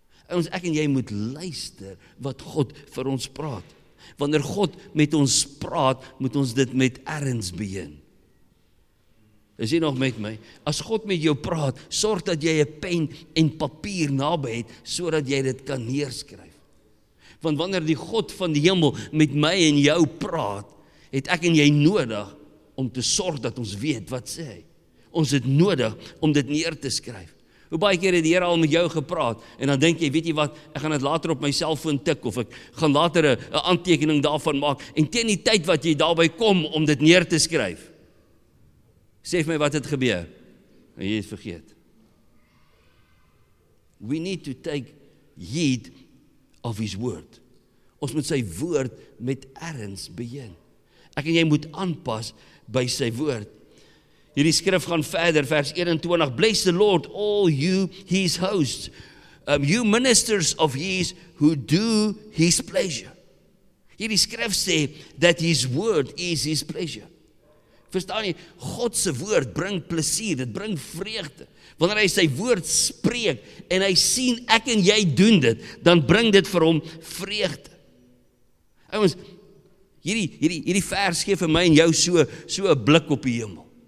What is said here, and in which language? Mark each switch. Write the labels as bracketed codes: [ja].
[af] Ons ek en jy moet luister wat God vir ons praat. Wanneer God met ons praat, moet ons dit met erns beheen. Is jy nog met my? As God met jou praat, sorg dat jy 'n pen en papier naby het, sodat jy dit kan neerskryf. Want wanneer die God van die hemel met my en jou praat, het ek en jy nodig om te sorg dat ons weet wat sê hy. Ons het nodig om dit neer te skryf. Hoe baie keer het die Here al met jou gepraat, en dan denk jy, weet jy wat, ek gaan dit later op my selfoon tik, of ek gaan later een aantekening daarvan maak, en teen die tyd wat jy daarby kom om dit neer te skryf, sê vir my wat het gebeur, en jy het vergeet. [en] We need to take heed of his word. [af] Ons moet sy woord met erns begin. Ek en jy moet aanpas by sy woord. Hierdie skrif gaan verder, vers 21, [en] Bless the Lord, all you, his hosts, you ministers of his, who do his pleasure. [af] Hierdie skrif sê, [en] that his word is his pleasure. [af] Verstaan jy, Godse woord bring plesier, dit bring vreugde. Wanneer hy sy woord spreek, en hy sien, ek en jy doen dit, dan bring dit vir hom vreugde. Ons, hierdie vers gee vir my en jou so 'n blik op die hemel.